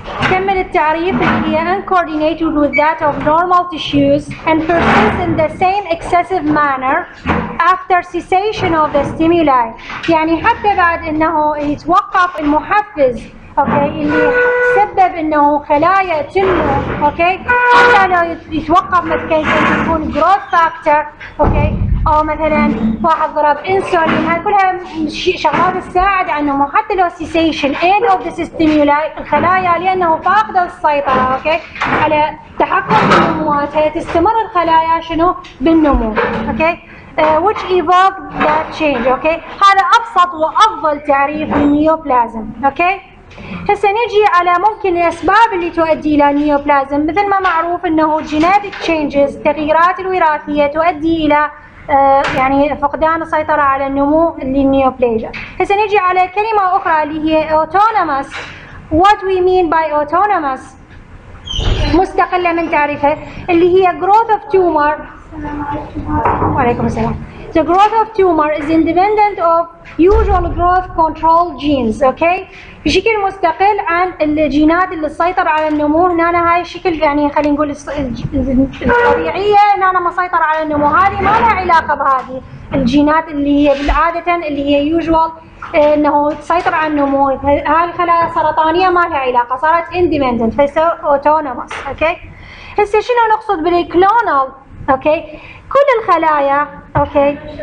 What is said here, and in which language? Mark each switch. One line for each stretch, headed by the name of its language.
English: 10-minute diarrhea can be uncoordinated with that of normal tissues and persist in the same excessive manner after cessation of the stimuli.
Arabic: يعني حتى بعد انه يتوقف المحفز اوكي اللي سبب انه خلايا تنمو اوكي حتى لو يتوقف مثلا يكون
English: growth factor
Arabic: اوكي او مثلا واحد ضرب انسولين هاي كلها شغلات تساعد انه حتى لو
English: cessation end of the stimuli
Arabic: الخلايا لانه فاقده السيطره اوكي على تحكم النموات هي تستمر الخلايا شنو بالنمو اوكي
English: which evoke that change
Arabic: اوكي هذا ابسط وافضل تعريف للنيوبلازم اوكي هسه نجي على ممكن الاسباب اللي تؤدي الى النيوبلازم مثل ما معروف انه
English: genetic changes
Arabic: تغييرات الوراثيه تؤدي الى يعني فقدان السيطرة على النمو للنيوبلازيا. هسه نجي على كلمة أخرى اللي هي autonomous.
English: What we mean by autonomous؟
Arabic: مستقلة من تعريفها اللي هي
English: growth of tumor.
Arabic: وعليكم السلام.
English: The growth of tumor is independent of usual growth control genes.
Arabic: Okay؟ بشكل مستقل عن الجينات اللي تسيطر على النمو هنا أنا هاي الشكل يعني خلينا نقول الطبيعية هنا أنا مسيطر على النمو هذه ما لها علاقة بهذه الجينات اللي هي بالعادة اللي هي usual انه تسيطر على النمو هاي الخلايا السرطانية ما لها علاقة صارت independent فيصير autonomous اوكي هسه شنو نقصد بالكلونال اوكي كل الخلايا اوكي